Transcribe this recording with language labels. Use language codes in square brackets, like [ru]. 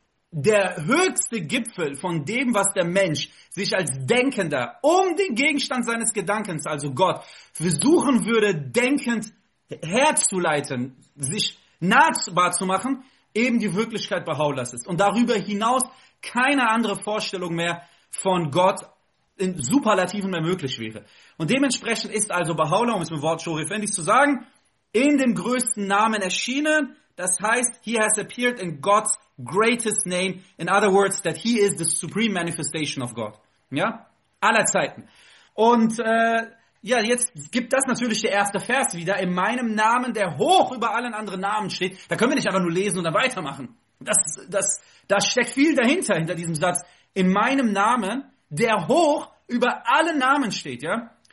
[de] der höchste Gipfel von dem, was der Mensch sich als Denkender um den Gegenstand seines Gedankens, also Gott, versuchen würde, denkend herzuleiten, sich nahbar zu machen, eben die Wirklichkeit bei Haulas ist. Und darüber hinaus keine andere Vorstellung mehr von Gott in Superlativen mehr möglich wäre. Und dementsprechend ist also Baha'u'llah, um es mit Wort Shorif endlich zu sagen, in dem größten Namen erschienen. Das heißt, [en] he has appeared in God's greatest name. In other words, that he is the supreme manifestation of God. [de] Ja? Aller Zeiten. Und ja, jetzt gibt das natürlich der erste Vers wieder. In meinem Namen, der hoch über allen anderen Namen steht. Da können wir nicht einfach nur lesen und dann weitermachen. Das steckt viel dahinter, hinter diesem Satz. In meinem Namen, der hoch über alle Namen steht, ja.